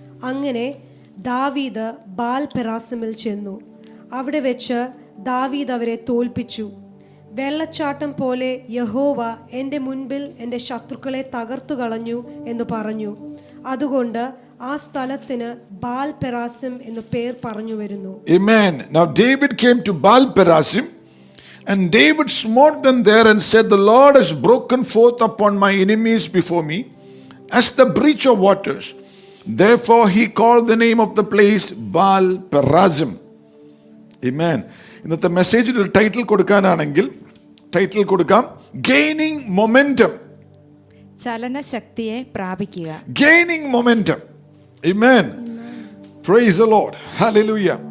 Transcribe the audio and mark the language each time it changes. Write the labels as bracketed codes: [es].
[ml] അങ്ങനെ ദാവീദ് ബാൽപെറാസിമിൽ ചെന്നു. അവിടെ വെച്ച് ദാവീദ് അവരെ തോൽപ്പിച്ചു. വെള്ളച്ചാട്ടം പോലെ യഹോവ എൻ്റെ മുൻപിൽ എൻ്റെ ശത്രുക്കളെ തകർത്തു കളഞ്ഞു എന്ന് പറഞ്ഞു. അതുകൊണ്ട് ആ സ്ഥലത്തിന് ബാൽപെറാസിം എന്ന് പേർ പറഞ്ഞു വരുന്നു. ആമേൻ. [en] Now David came to Baalperazim and David smote them there and said, the Lord has broken forth upon my enemies before me as the breach of waters. Therefore he called the name of the place Baalperazim. [ml] ആമേൻ. ഇന്നത്തെ message ഒരു title കൊടുക്കാനാണെങ്കിൽ title കൊടുക്കാം, [en] Gaining momentum. [ml] ചലനശക്തിയെ പ്രാപിക്കുക. [en] Gaining momentum. ആമേൻ. Praise the lord. ഹല്ലേലൂയ.